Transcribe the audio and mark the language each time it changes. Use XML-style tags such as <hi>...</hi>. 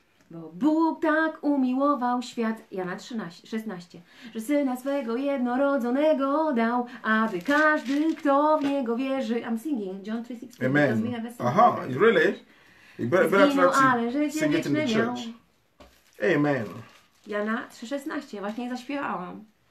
<pl>Bo Bóg tak umiłował świat, Jana 3:16, że Syna swego jednorodzonego dał, aby każdy, kto w Niego wierzy.</pl> <en>I'm singing, John 3:16. Amen. Aha, really? You better try to sing it in the church. Amen.</en> <pl>Jana 3:16, właśnie zaśpiewałam.</pl>